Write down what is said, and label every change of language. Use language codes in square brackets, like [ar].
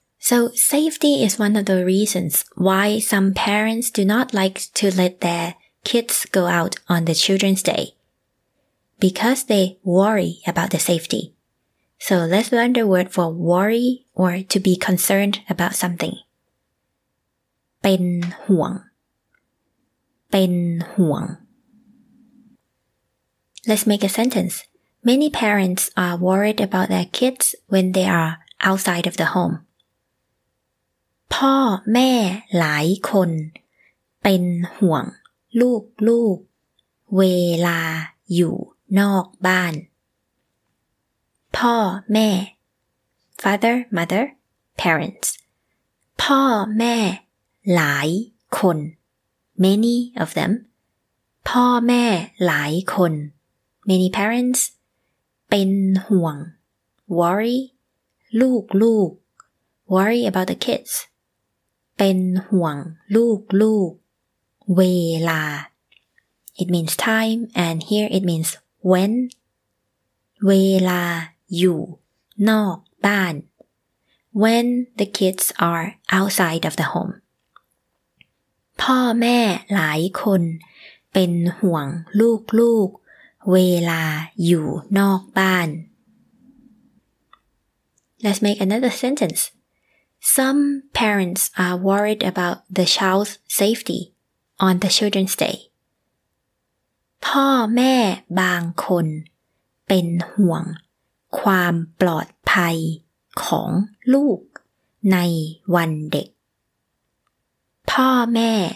[en] So safety is one of the reasons why some parents do not like to let their kids go out on the Children's Day. Because they worry about the safety. So let's learn the word for worry or to be concerned about something. [th] เป็นห่วงเป็นห่วง [en] Let's make a sentence. Many parents are worried about their kids when they are outside of the home. [th] พ่อแม่หลายคนเป็นห่วงลูกๆเวลาอยู่นอกบ้าน [en] พ่อแม่ father mother parents [th] พ่อแม่หลายคน [en] many of them [th] พ่อแม่หลายคน [en] many parents เป็นห่วง worry [th] ลูกลูก [en] worry about the kids [th] เป็นห่วงลูกลูกเวลา [en] it means time and here it means when [th] เวลาอยู่นอกบ้าน [en] when the kids are outside of the home [th] พ่อแม่หลายคนเป็นห่วงลูกลูกเวลาอยู่นอกบ้าน [en] Let's make another sentence. Some parents are worried about the child's safety on the children's day. [th] พ่อแม่บางคนเป็นห่วงความปลอดภัยของลูกในวันเด็กพ่อแม่